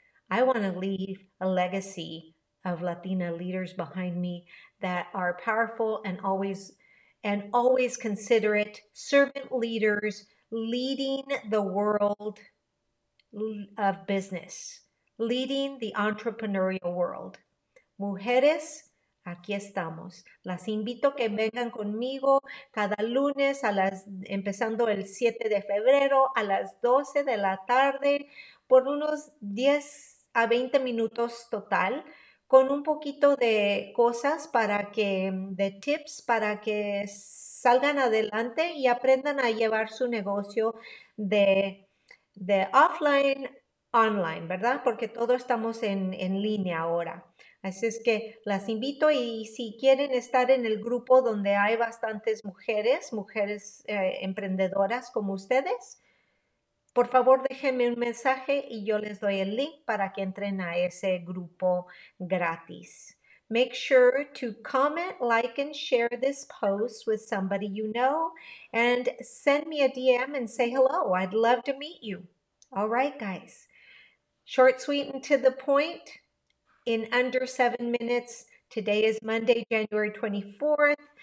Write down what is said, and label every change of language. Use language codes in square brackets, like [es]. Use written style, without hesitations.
[en] I want to leave a legacy of Latina leaders behind me that are powerful and always considerate servant leaders leading the world of business, leading the entrepreneurial world. [es] Mujeres, aquí estamos. Las invito a que vengan conmigo cada lunes a las empezando el 7 de febrero a las 12 de la tarde por unos 10 a 20 minutos total, con un poquito de cosas de tips para que salgan adelante y aprendan a llevar su negocio de offline online, ¿verdad? Porque todos estamos en línea ahora. Así es que las invito y si quieren estar en el grupo donde hay bastantes mujeres emprendedoras como ustedes, por favor déjenme un mensaje y yo les doy el link para que entren a ese grupo gratis. [en] Make sure to comment, like, and share this post with somebody you know and send me a DM and say hello. I'd love to meet you. All right, guys. Short, sweet, and to the point. In under 7 minutes, today is Monday, January 24th.